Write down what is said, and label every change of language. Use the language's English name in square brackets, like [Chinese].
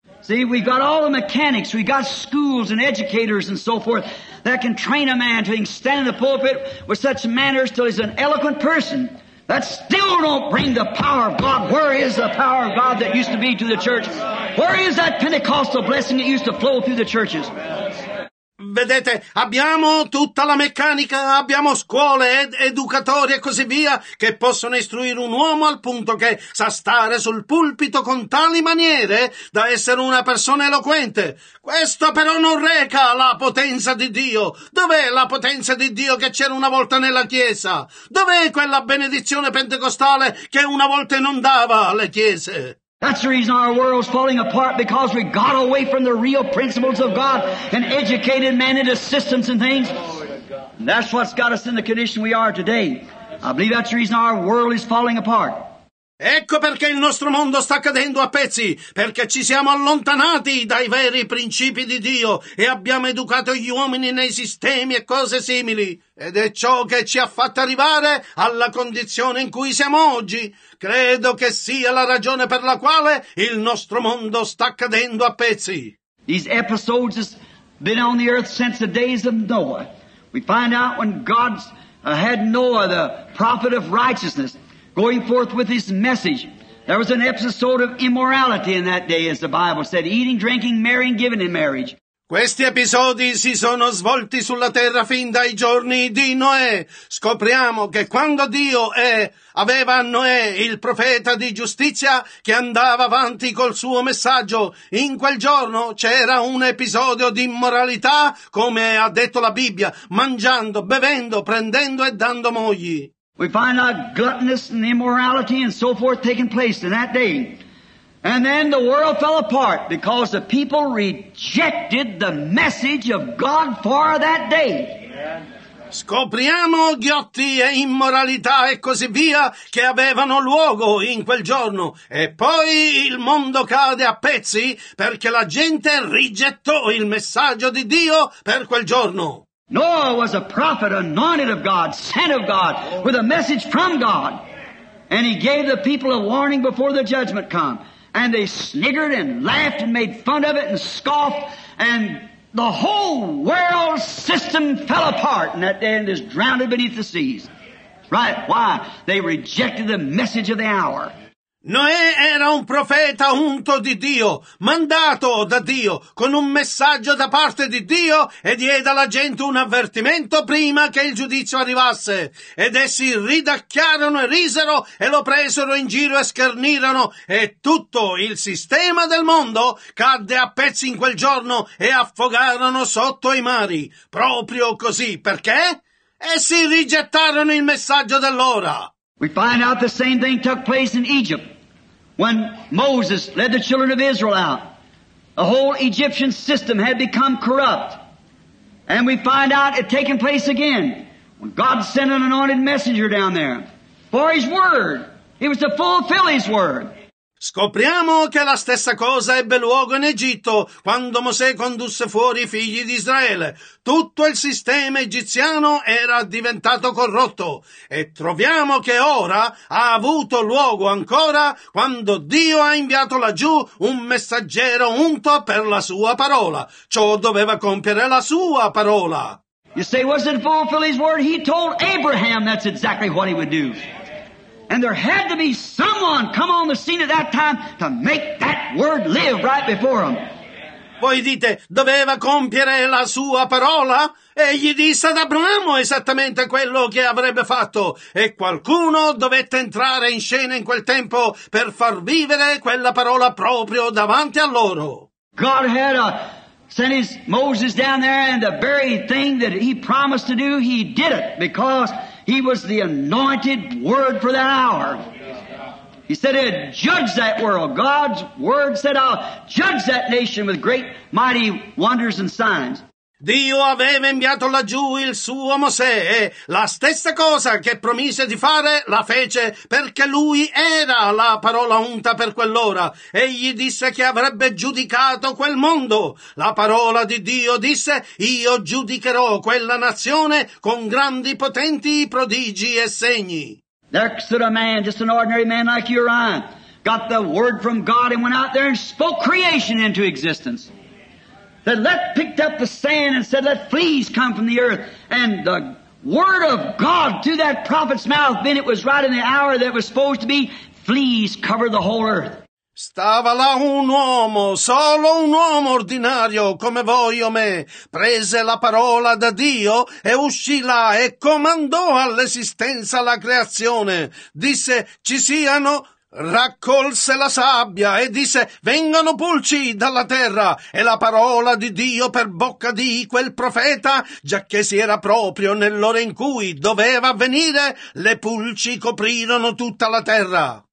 [English] See, we got all the mechanics, we got schools and educators and so forth that can train a man to stand in the pulpit with such manners till he's an eloquent person. That still don't bring the power of God. Where is the power of God that used to be to the church? Where is that Pentecostal blessing that used to flow through the churches? [Italian] Vedete, abbiamo tutta la meccanica, abbiamo scuole, educatori e così via che possono istruire un uomo al punto che sa stare sul pulpito con tali maniere da essere una persona eloquente. Questo però non reca la potenza di Dio. Dov'è la potenza di Dio che c'era una volta nella Chiesa? Dov'è quella benedizione pentecostale che una volta non dava alle Chiese? [English] That's the reason our world's falling apart, because we got away from the real principles of God and educated man into systems and things. And that's what's got us in the condition we are today. I believe that's the reason our world is falling apart. [Italian] Ecco perché il nostro mondo sta cadendo a pezzi, perché ci siamo allontanati dai veri principi di Dio e abbiamo educato gli uomini nei sistemi e cose simili. Ed è ciò che ci ha fatto arrivare alla condizione in cui siamo oggi. Credo che sia la ragione per la quale il nostro mondo sta cadendo a pezzi. [English] These episodes have been on the earth since the days of Noah. We find out when God had Noah, the prophet of righteousness, going forth with his message. There was an episode of immorality in that day, as the Bible said, eating, drinking, marrying, giving in marriage. [Italian] Questi episodi si sono svolti sulla terra fin dai giorni di Noè. Scopriamo che quando Dio aveva Noè, il profeta di giustizia, che andava avanti col suo messaggio, in quel giorno c'era un episodio di immoralità, come ha detto la Bibbia, mangiando, bevendo, prendendo e dando mogli. [English] We find our gluttonous and immorality and so forth taking place in that day. And then the world fell apart because the people rejected the message of God for that day. [Italian] Scopriamo ghiotti e immoralità e così via che avevano luogo in quel giorno. E poi il mondo cade a pezzi perché la gente rigettò il messaggio di Dio per quel giorno. [English] Noah was a prophet anointed of God, sent of God, with a message from God. And he gave the people a warning before the judgment come. And they sniggered and laughed and made fun of it and scoffed. And the whole world system fell apart in that day and is drowned beneath the seas. Right? Why? They rejected the message of the hour. [Italian] Noè era un profeta unto di Dio, mandato da Dio, con un messaggio da parte di Dio, e diede alla gente un avvertimento prima che il giudizio arrivasse. Ed essi ridacchiarono e risero e lo presero in giro e schernirono, e tutto il sistema del mondo cadde a pezzi in quel giorno e affogarono sotto i mari. Proprio così, perché? Essi rigettarono il messaggio dell'ora. [English] We find out the same thing took place in Egypt when Moses led the children of Israel out. The whole Egyptian system had become corrupt. And we find out it taken place again when God sent an anointed messenger down there for his word. He was to fulfill his word. [Italian] Scopriamo che la stessa cosa ebbe luogo in Egitto quando Mosè condusse fuori i figli di Israele. Tutto il sistema egiziano era diventato corrotto e troviamo che ora ha avuto luogo ancora quando Dio ha inviato laggiù un messaggero unto per la sua parola. Ciò doveva compiere la sua parola. [English] You say, was it fulfill his word? He told Abraham that's exactly what he would do. And there had to be someone come on the scene at that time to make that word live right before him. [Italian] Voi dite, doveva compiere la sua parola? Egli disse ad Abramo esattamente quello che avrebbe fatto. E qualcuno dovette entrare in scena in quel tempo per far vivere quella parola proprio davanti a loro. [English] God had sent his Moses down there, and the very thing that he promised to do, he did it, because he was the anointed word for that hour. He said he'd judge that world. God's word said, I'll judge that nation with great mighty wonders and signs. [Italian] Dio aveva inviato laggiù il suo Mosè e la stessa cosa che promise di fare la fece, perché lui era la parola unta per quell'ora. Egli disse che avrebbe giudicato quel mondo. La parola di Dio disse: io giudicherò quella nazione con grandi potenti prodigi e segni. [English] There stood a man, just an ordinary man like you or I, got the word from God and went out there and spoke creation into existence. That let picked up the sand and said, let fleas come from the earth. And the word of God through that prophet's mouth, then it was right in the hour that it was supposed to be, fleas cover the whole earth. [Italian] Stava là un uomo, solo un uomo ordinario, come voi o me, prese la parola da Dio e uscì là e comandò all'esistenza la creazione. Disse, ci siano. Raccolse la sabbia e disse, vengano pulci dalla terra, e la parola di Dio per bocca di quel profeta, giacché si era proprio nell'ora in cui doveva avvenire, le pulci coprirono tutta la terra.